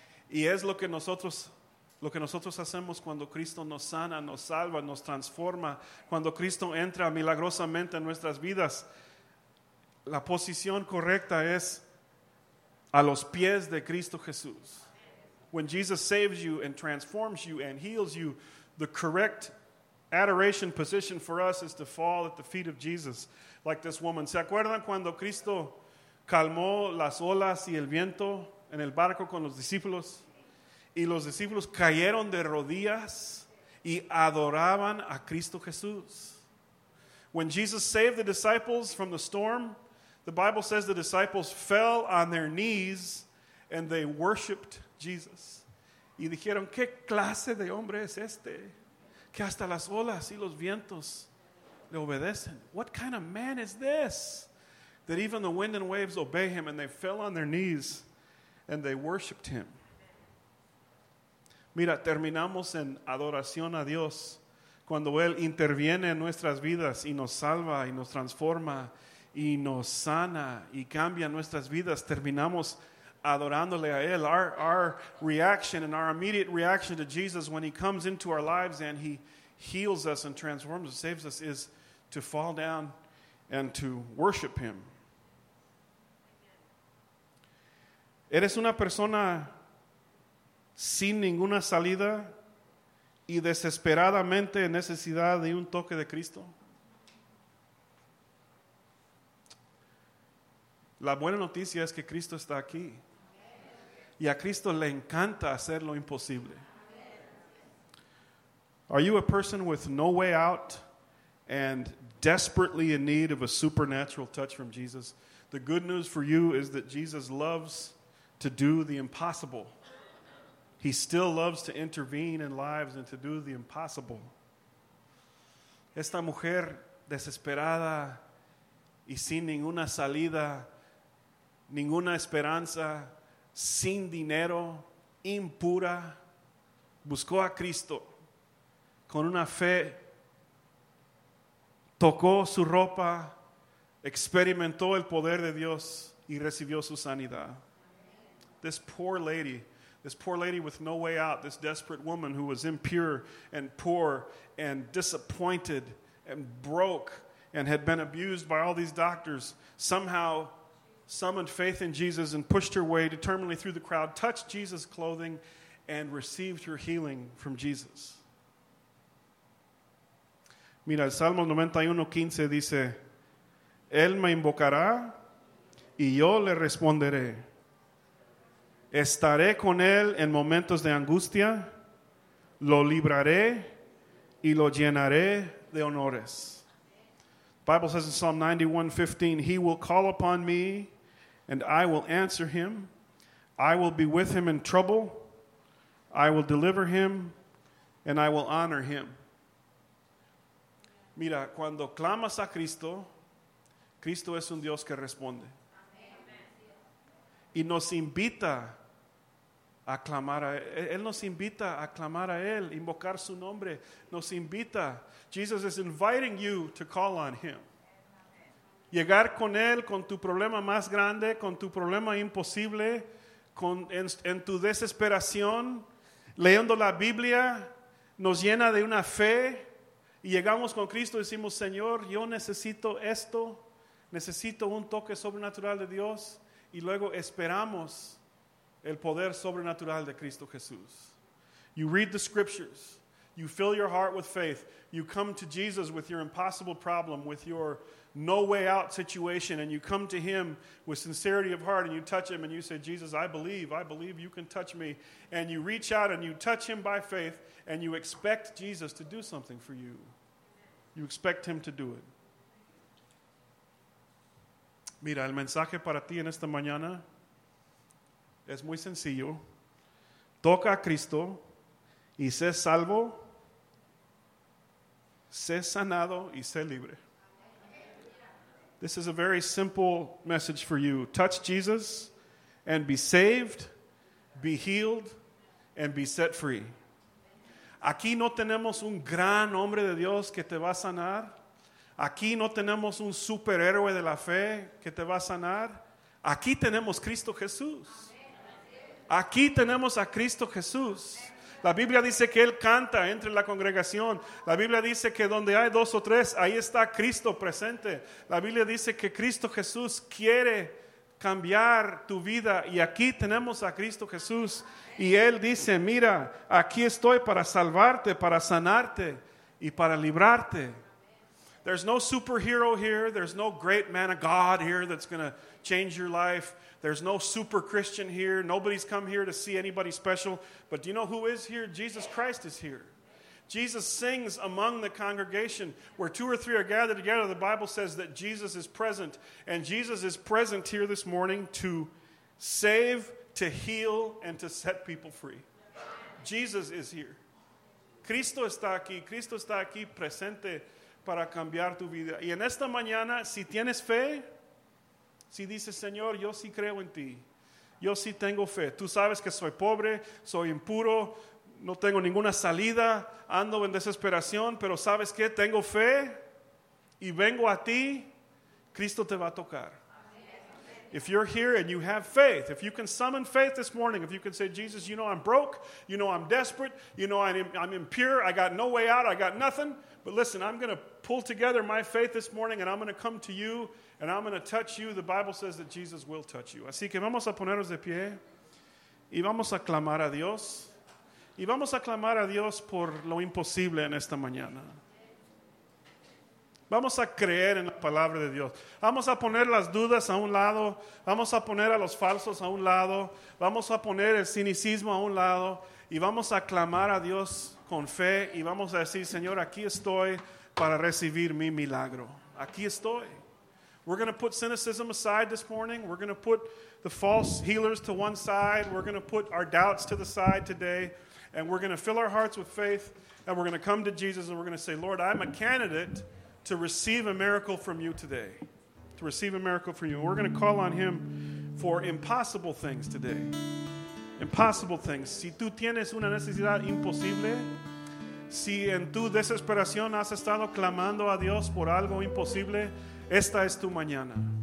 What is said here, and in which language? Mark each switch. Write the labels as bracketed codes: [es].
[es] Y es lo que nosotros hacemos cuando Cristo nos sana, nos salva, nos transforma, cuando Cristo entra milagrosamente en nuestras vidas. La posición correcta es a los pies de Cristo Jesús. [en] When Jesus saves you and transforms you and heals you, the correct adoration position for us is to fall at the feet of Jesus, like this woman. [es] ¿Se acuerdan cuando Cristo calmó las olas y el viento en el barco con los discípulos? Y los discípulos cayeron de rodillas y adoraban a Cristo Jesús. [en] When Jesus saved the disciples from the storm, the Bible says the disciples fell on their knees and they worshiped Jesus. [es] Y dijeron, ¿qué clase de hombre es este? Que hasta las olas y los vientos le obedecen. [en] What kind of man is this? That even the wind and waves obey him, and they fell on their knees and they worshiped him. [es] Mira, terminamos en adoración a Dios cuando Él interviene en nuestras vidas y nos salva y nos transforma y nos sana y cambia nuestras vidas. Terminamos adorándole a Él. [en] Our reaction and our immediate reaction to Jesus when He comes into our lives and He heals us and transforms and saves us is to fall down and to worship Him. [es] Eres una persona sin ninguna salida y desesperadamente en necesidad de un toque de Cristo. La buena noticia es que Cristo está aquí. Y a Cristo le encanta hacer lo imposible. [en] Are you a person with no way out and desperately in need of a supernatural touch from Jesus? The good news for you is that Jesus loves to do the impossible. He still loves to intervene in lives and to do the impossible. [es] Esta mujer desesperada y sin ninguna salida, ninguna esperanza, sin dinero, impura, buscó a Cristo con una fe, tocó su ropa, experimentó el poder de Dios y recibió su sanidad. [en] This poor lady with no way out, this desperate woman who was impure and poor and disappointed and broke and had been abused by all these doctors, somehow summoned faith in Jesus and pushed her way determinedly through the crowd, touched Jesus' clothing, and received her healing from Jesus. [es] Mira, el Salmo 91:15 dice, Él me invocará y yo le responderé. Estaré con él en momentos de angustia, lo libraré y lo llenaré de honores. [en] Bible says in Psalm 91:15, He will call upon me and I will answer him. I will be with him in trouble. I will deliver him and I will honor him. [es] Mira, cuando clamas a Cristo, Cristo es un Dios que responde. Y nos invita a clamar a él. Él nos invita a clamar a él, invocar su nombre. Nos invita. [en] Jesus is inviting you to call on him. [es] Llegar con él con tu problema más grande, con tu problema imposible, con en tu desesperación, leyendo la Biblia, nos llena de una fe. Y llegamos con Cristo y decimos, Señor, yo necesito esto. Necesito un toque sobrenatural de Dios. Y luego esperamos el poder sobrenatural de Cristo Jesús. [en] You read the scriptures. You fill your heart with faith. You come to Jesus with your impossible problem, with your no way out situation. And you come to him with sincerity of heart. And you touch him and you say, Jesus, I believe. I believe you can touch me. And you reach out and you touch him by faith. And you expect Jesus to do something for you. You expect him to do it. [es] Mira, el mensaje para ti en esta mañana es muy sencillo. Toca a Cristo y sé salvo, sé sanado y sé libre. [en] This is a very simple message for you. Touch Jesus and be saved, be healed, and be set free. [es] Aquí no tenemos un gran hombre de Dios que te va a sanar. Aquí no tenemos un superhéroe de la fe que te va a sanar. Aquí tenemos Cristo Jesús. Aquí tenemos a Cristo Jesús. La Biblia dice que Él canta entre la congregación. La Biblia dice que donde hay dos o tres, ahí está Cristo presente. La Biblia dice que Cristo Jesús quiere cambiar tu vida. Y aquí tenemos a Cristo Jesús. Y Él dice, mira, aquí estoy para salvarte, para sanarte y para librarte. [en] There's no superhero here. There's no great man of God here that's going to change your life. There's no super Christian here. Nobody's come here to see anybody special. But do you know who is here? Jesus Christ is here. Jesus sings among the congregation. Where two or three are gathered together, the Bible says that Jesus is present. And Jesus is present here this morning to save, to heal, and to set people free. Jesus is here. [es] Cristo está aquí. Cristo está aquí presente para cambiar tu vida. Y en esta mañana, si tienes fe, si dices, Señor, yo sí creo en ti. Yo sí tengo fe. Tú sabes que soy pobre, soy impuro, no tengo ninguna salida, ando en desesperación, pero ¿sabes qué? Tengo fe y vengo a ti, Cristo te va a tocar. [en] If you're here and you have faith, if you can summon faith this morning, if you can say, Jesus, you know I'm broke, you know I'm desperate, you know I'm impure, I got no way out, I got nothing. But listen, I'm going to pull together my faith this morning and I'm going to come to you and I'm going to touch you. The Bible says that Jesus will touch you. [es] Así que vamos a ponernos de pie y vamos a clamar a Dios. Y vamos a clamar a Dios por lo imposible en esta mañana. Vamos a creer en la palabra de Dios. Vamos a poner las dudas a un lado. Vamos a poner a los falsos a un lado. Vamos a poner el cinicismo a un lado. Y vamos a clamar a Dios con fe y vamos a decir, Señor, aquí estoy para recibir mi milagro. Aquí estoy. [en] We're going to put cynicism aside this morning. We're going to put the false healers to one side. We're going to put our doubts to the side today. And we're going to fill our hearts with faith. And we're going to come to Jesus and we're going to say, Lord, I'm a candidate to receive a miracle from you today. To receive a miracle from you. We're going to call on him for impossible things today. Impossible things. [es] Si tú tienes una necesidad imposible, si en tu desesperación has estado clamando a Dios por algo imposible, esta es tu mañana.